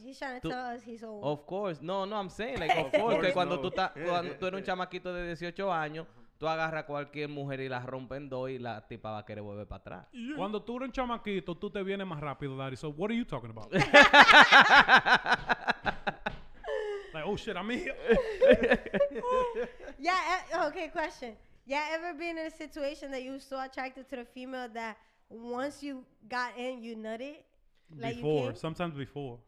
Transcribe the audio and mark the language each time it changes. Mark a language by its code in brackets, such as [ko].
[en] he's trying to tell us he's old. Of course. No, I'm saying, like, of course. [es] Que cuando tú eres un chamaquito de 18 años, tú agarras cualquier mujer y la rompen dos y la tipa va a querer volver para atrás. [en] Yeah. [es] Cuando tú eres un chamaquito, tú te vienes más rápido, daddy. [en] So what are you talking about? Like, oh shit, I'm here. Yeah, okay, question. Yeah, ever been in a situation that you were so attracted to the female that once you got in, you nutted? Before, like, sometimes before.